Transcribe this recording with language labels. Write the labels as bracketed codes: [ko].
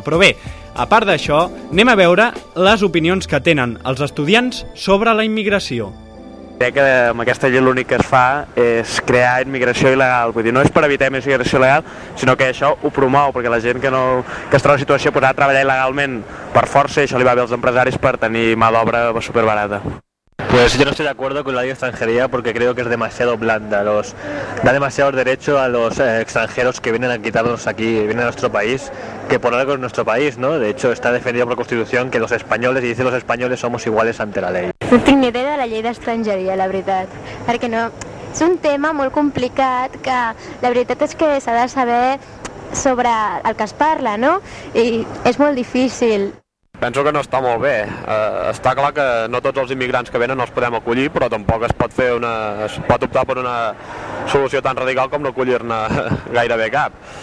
[ca] Però bé, a part d'això, anem a veure les opinions que tenen els estudiants sobre la immigració. Crec que amb aquesta llei l'únic que es fa és crear immigració il·legal. Vull dir, no és per evitar més immigració il·legal, sinó que això ho promou, perquè la gent que es troba en situació posarà a treballar il·legalment per força, i això li va bé als empresaris per tenir mà d'obra superbarata. [es] Pues yo no estoy de acuerdo con la ley de extranjería porque creo que es demasiado blanda, da demasiados derechos a los extranjeros que vienen a quitarnos aquí, vienen a nuestro país, que por algo es nuestro país, ¿no? De hecho está defendido por la Constitución que los españoles, y dice los españoles, somos iguales ante la ley. [ca] No tinc ni idea de la llei d'estrangeria, la veritat, perquè no, és un tema molt complicat que la veritat és que s'ha de saber sobre el que es parla, no? I és molt difícil. Penso que no està molt bé. Està clar que no tots els immigrants que venen els podem acollir, però tampoc es pot optar per una solució tan radical com no acollir-ne gairebé cap.